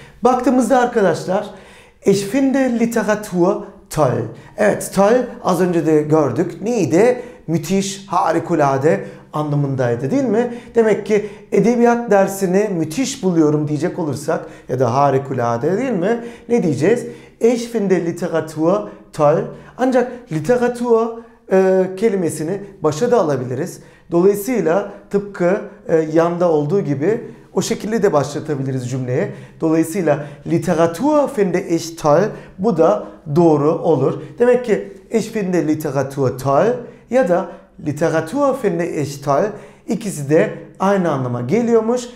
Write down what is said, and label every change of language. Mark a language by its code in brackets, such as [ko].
[tr] Baktığımızda arkadaşlar [de] Ich finde Literatur toll. [tr] Evet toll az önce de gördük. Neydi? Müthiş, harikulade anlamındaydı değil mi? Demek ki edebiyat dersini müthiş buluyorum diyecek olursak ya da harikulade değil mi? Ne diyeceğiz? [de] Ich finde Literatur toll. [tr] Ancak Literatur kelimesini başa da alabiliriz. Dolayısıyla tıpkı yanda olduğu gibi o şekilde de başlatabiliriz cümleye. Dolayısıyla [de] Literatur finde ich toll [tr] bu da doğru olur. Demek ki [de] ich finde Literatur toll [tr] ya da [de] Literatur finde ich toll [tr] ikisi de aynı anlama geliyormuş.